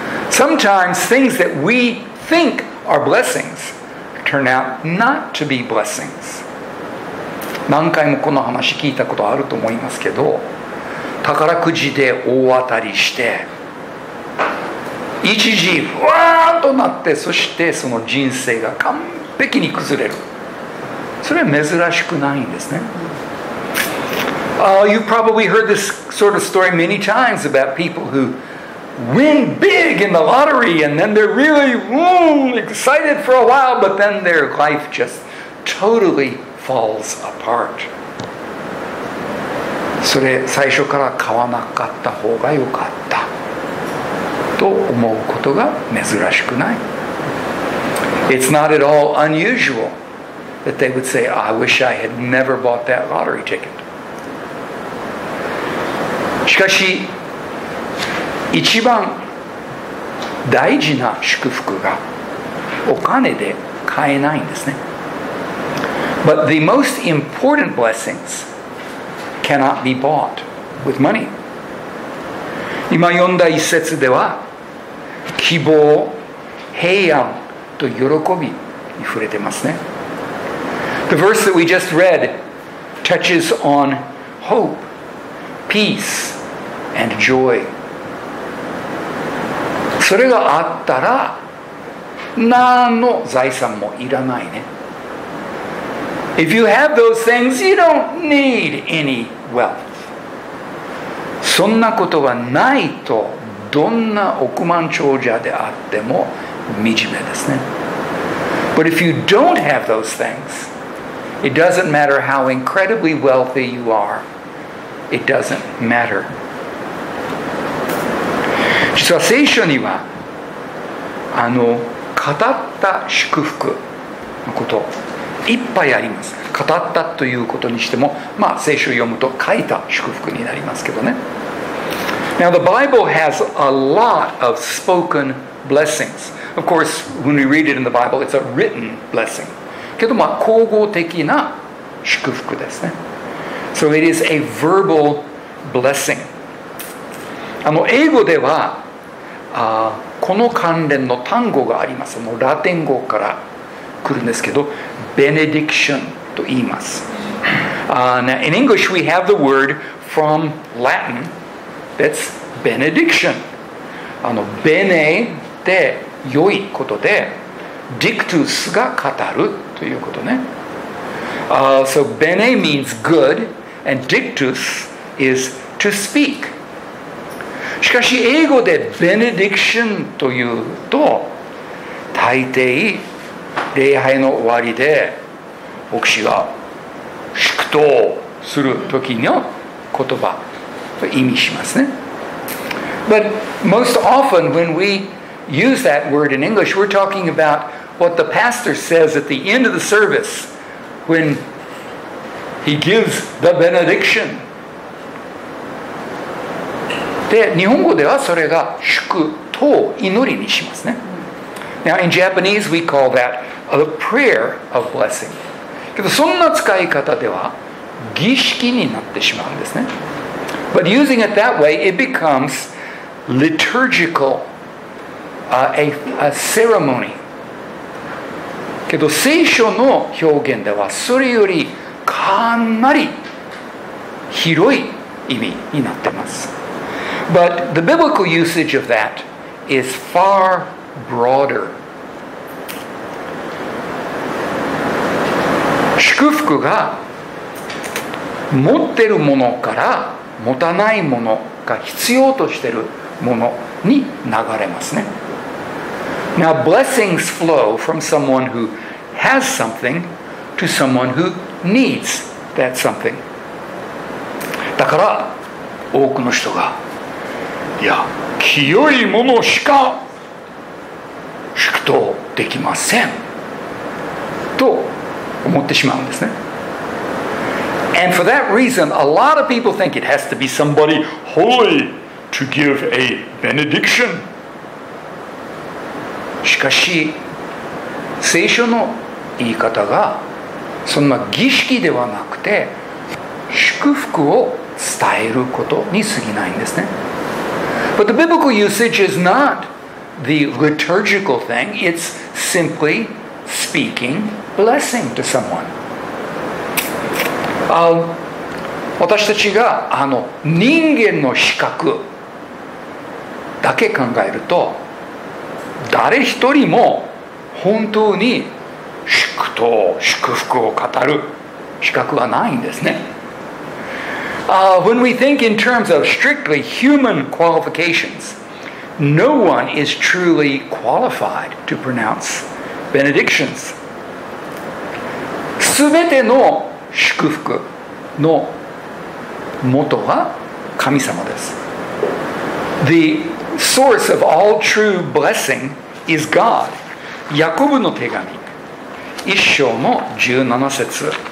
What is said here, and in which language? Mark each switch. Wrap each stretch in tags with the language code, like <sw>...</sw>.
<en>Sometimes things that we think are blessings turn out not to be blessings.</en> <ja>何回もこの話聞いたことあると思いますけど、宝くじで大当たりして、一時ふわーっとなって、そしてその人生が完璧に崩れる。それは珍しくないんですね。</ja> <en>You probably heard this sort of story many times about people who win big in the lottery and then they're really excited for a while, but then their life just totally falls apart.</en> <ja>それ最初から買わなかった方が良かったと思うことが珍しくない。</ja> <en>It's not at all unusual that they would say, I wish I had never bought that lottery ticket.</en> <ja>しかし一番大事な祝福がお金で買えないんですね。</ja> <en>But the most important blessings cannot be bought with money.</en> <ja>今読んだ一節では、希望、平安と喜びに触れてますね。</ja> <en>The verse that we just read touches on hope, peaceAnd joy.</en> <ja>それがあったら何の財産もいらないね。</ja> <en>If you have those things, you don't need any wealth.</en> <ja>そんなことがないとどんな億万長者であっても惨めですね。</ja> <en>But if you don't have those things, it doesn't matter how incredibly wealthy you are. It doesn't matter.</en> <ja>実は聖書にはあの語った祝福のこといっぱいあります。語ったということにしても、まあ、聖書を読むと書いた祝福になりますけどね。</ja> <en>Now the Bible has a lot of spoken blessings. Of course when we read it in the Bible it's a written blessing.</en> <ja>けど、まあ、口語的な祝福ですね。</ja> <en>So it is a verbal blessing.</en> <ja>あの英語ではこの関連の単語があります。もうラテン語から来るんですけど、ベネディクションと言います。</ja> <en>Now in English we have the word from Latin that's benediction.</en> <ja>ベネって良いことで、ディクトゥスが語るということね。</ja> <en>So bene means good and dictus is to speak</en> <ja>しかし英語でベネディクションというと大抵礼拝の終わりで牧師が祝祷する時の言葉と意味しますね。</ja> <en>But most often when we use that word in English we're talking about what the pastor says at the end of the service when he gives the benediction</en> <ja>で、日本語ではそれが祝祷祈りにしますね。</ja> <en>Now in Japanese we call that a prayer of blessing.</en> <ja>けどそんな使い方では儀式になってしまうんですね。</ja> <en>But using it that way it becomes liturgical, a ceremony.</en> <ja>けど聖書の表現ではそれよりかなり広い意味になってます。</ja> <en>But the biblical usage of that is far broader.</en> <ja>祝福が持ってるものから持たないものが必要としてるものに流れますね。</ja> <en>Now blessings flow from someone who has something to someone who needs that something.</en> <ja>だから多くの人がや清いものしか祝祷できませんと思ってしまうんですね。</ja> <en>And for that reason, a lot of people think it has to be somebody holy to give a benediction.</en> <ja>しかし、聖書の言い方がそんな儀式ではなくて祝福を伝えることに過ぎないんですね。</ja> <en>But the biblical usage is not the liturgical thing. It's simply speaking blessing to someone.</en> <ja>私たちが人間の資格だけ考えると誰一人も本当に祝祷祝福を語る資格はないんですね。</ja> <en>When we think in terms of strictly human qualifications, no one is truly qualified to pronounce benedictions.</en> <ja>全ての祝福の元は神様です。</ja> <en>The source of all true blessing is God.</en> <ja>ヤコブの手紙一章の17節。</ja>